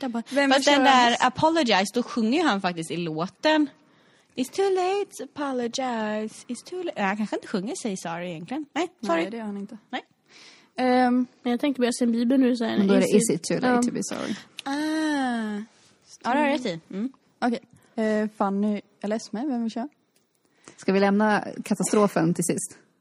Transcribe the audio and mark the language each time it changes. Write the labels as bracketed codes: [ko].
[sv] Vem fast den där Apologize, då sjunger han faktiskt i låten. [en] It's too late to apologize. It's too late. [sv] Han kanske inte sjunger Say Sorry egentligen. Nej, sorry. Nej, det gör han inte. Nej. Men jag tänkte börja se en bibel nu. Så här, men då är det [en] Is it too late to be sorry? [sv] Ah. Ja, det har jag rätt i. Okej. Okay. Fanny eller Esme, vem vill köra? Ska vi lämna katastrofen till sist?